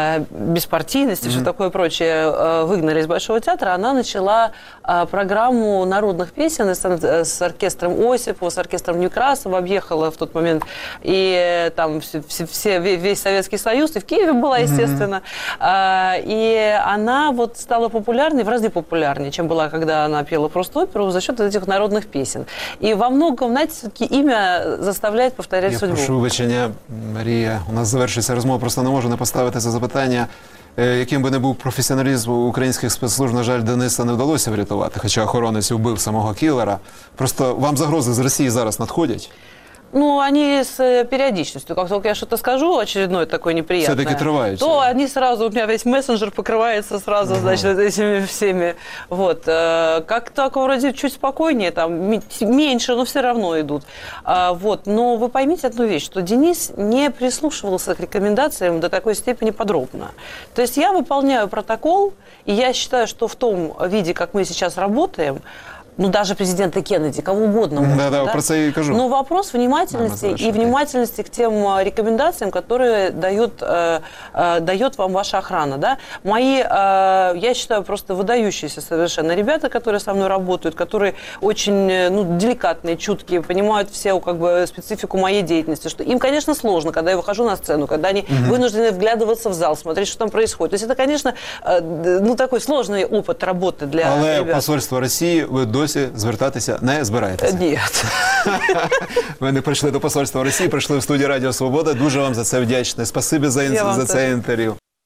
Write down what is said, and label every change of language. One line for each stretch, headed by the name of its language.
Russian: беспартийность и все такое прочее выгнали из Большого театра, она начала программу народных песен с оркестром Осипова, с оркестром Некрасова, объехала в тот момент, и там весь Советский Союз, и в Киеве была, естественно. И она вот стала популярной, в разы популярнее, чем была, когда она пела просто оперу, за счет этих народных песен. И во многом, знаете, все-таки имя заставляет повторять я судьбу.
Ukrainian: Я прошу вибачення, Марія, у нас завершується розмова, просто не можу не поставити за запитання, яким би не був професіоналізм українських спецслужб, на жаль, Дениса не вдалося врятувати, хоча охоронець вбив самого кілера. Просто вам загрози з Росії зараз надходять?
Russian: Ну, они с периодичностью. Как только я что-то скажу, очередное такое неприятное. Все-таки трываются. То они сразу, у меня весь мессенджер покрывается сразу, значит, этими всеми. Вот. Как-то вроде чуть спокойнее, там, меньше, но все равно идут. Вот. Но вы поймите одну вещь, что Денис не прислушивался к рекомендациям до такой степени подробно. То есть я выполняю протокол, и я считаю, что в том виде, как мы сейчас работаем, ну, даже президента Кеннеди, кого угодно. Да, да, про это я и кажу. Но вопрос внимательности и внимательности к тем рекомендациям, которые дает вам ваша охрана. Да? Мои, я считаю, просто выдающиеся совершенно ребята, которые со мной работают, которые очень ну, деликатные, чуткие, понимают все как бы, специфику моей деятельности. Что им, конечно, сложно, когда я выхожу на сцену, когда они вынуждены вглядываться в зал, смотреть, что там происходит. То есть это, конечно, ну, такой сложный опыт работы для
Ukrainian: Але
Russian: ребят.
Ukrainian: Але посольство
Russian: России вы
Ukrainian: досі звертатися не збираєтеся? Ні. Ви не прийшли до посольства Росії, прийшли в студію Радіо Свобода. Дуже вам за це вдячний. Спасибі за це інтерв'ю.